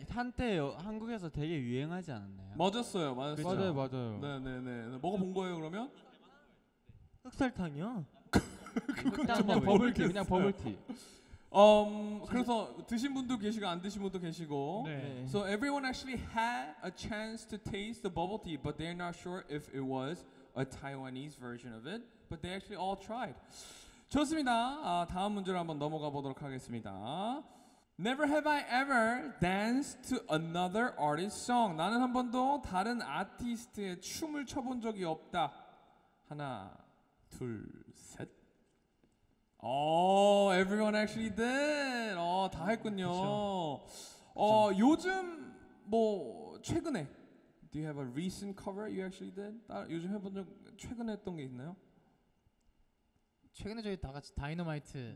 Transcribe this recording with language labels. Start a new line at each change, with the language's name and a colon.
Korean: 근데 한때 한국에서 되게 유행하지 않았나요? 맞았어요, 맞았어요. 그쵸? 맞아요, 맞아요. 네네네. 네. 먹어본 거예요, 그러면? 흑설탕이요? 그냥 버블티, 그냥 버블티. 그래서 드신 분도 계시고 안 드신 분도 계시고. 네.
English: So everyone actually had a chance to taste the bubble tea, but they're not sure if it was a Taiwanese version of it. But they actually all tried.
Korean: 좋습니다. 아, 다음 문제로 한번 넘어가 보도록 하겠습니다.
English: Never have I ever danced to another artist's song.
Korean: 나는 한 번도 다른 아티스트의 춤을 춰본 적이 없다. 하나. 둘, 셋.
English: Oh, everyone actually did.
Korean: 어, 다 했군요. 그쵸. 어, 요즘 뭐 최근에
English: Do you have a recent cover you actually did?
Korean: 아, 요즘 해본 적 최근에 했던 게 있나요? 최근에 저희 다 같이 다이너마이트.